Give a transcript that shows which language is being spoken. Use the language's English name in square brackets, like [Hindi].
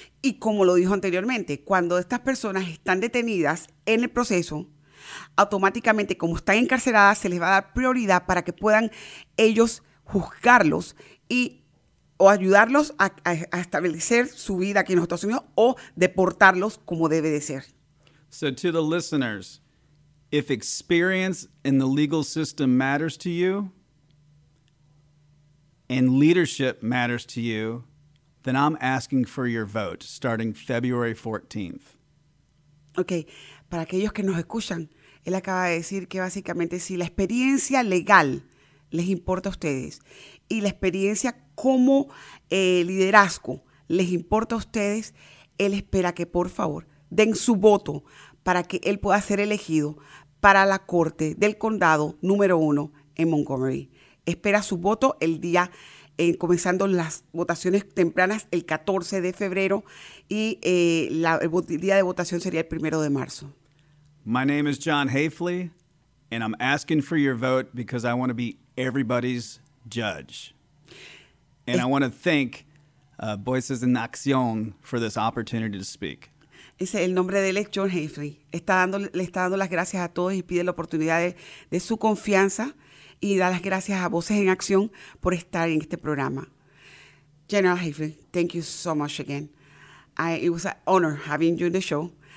[Spanish] Y como lo dijo anteriormente, cuando estas personas están detenidas en el proceso, automáticamente, como están encarceladas, se les va a dar prioridad para que puedan ellos juzgarlos y o ayudarlos a establecer su vida aquí en los Estados Unidos o deportarlos como debe de ser. [English] So to the listeners, if experience in the legal system matters to you and leadership matters to you, then I'm asking for your vote starting February 14th. [Spanish] Okay, para aquellos que nos escuchan, él acaba de decir que básicamente si la experiencia legal les importa a ustedes y la experiencia como liderazgo les importa a ustedes, él espera que por favor den su voto para que él pueda ser elegido para la corte del condado número uno en Montgomery. Espera su voto el día, comenzando las votaciones tempranas el 14 de febrero y el día de votación sería el 1 de marzo. [English] My name is John Hafley, and I'm asking for your vote because I want to be everybody's judge. And I want to thank Voices en Accion for this opportunity to speak. [Spanish] Dice, el nombre de él es John Hafley. Le está dando las gracias a todos y pide la oportunidad de su confianza y da las gracias a Voces en Acción por estar en este programa. [English] General Hafley, thank you so much again. It was an honor having you in the show.